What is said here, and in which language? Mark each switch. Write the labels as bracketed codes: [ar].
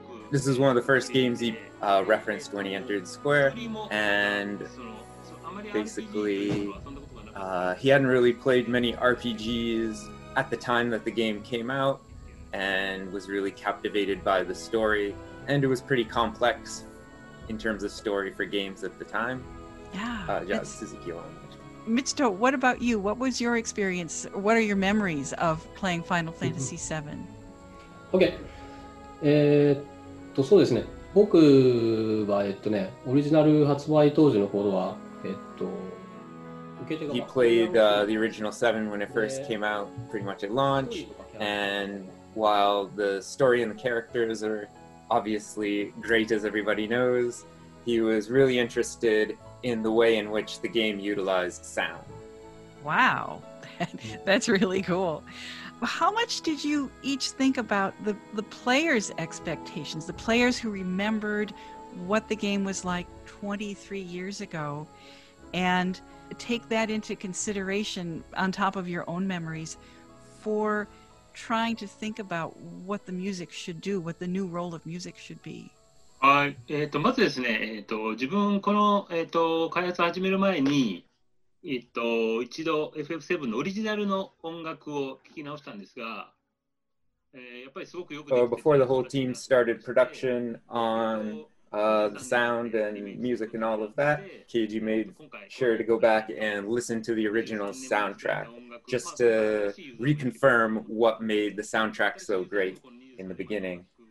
[en] This is one of the first games he referenced when he entered Square, and basically he hadn't really played many RPGs at the time that the game came out, and was really captivated by the story, and it was pretty complex in terms of story for games at the time. Yeah, Suzuki on. Mitsuto, what about you? What was your experience? What are your memories of playing Final Fantasy VII? OK。 [ja] そうですね。僕は、オリジナル発売当時の頃は、受け手が。 [en] He played the original 7 when it first came out, pretty much at launch. And while the story and the characters are obviously great, as everybody knows, he was really interested in the way in which the game utilized sound. Wow. That's really cool. How much did you each think about the players' expectations, the players who remembered what the game was like 23 years ago, and take that into consideration on top of your own memories for trying to think about what the music should do, what the new role of music should be? [ja] まずですね、自分この、開発を始める前に、一度 FF7 のオリジナルの音楽を聴き直したんですが、やっぱりすごくよくできてて、 [en] Before the whole team started production on the sound and music and all of that, Keiji made sure to go back and listen to the original soundtrack just to reconfirm what made the soundtrack so great in the beginning.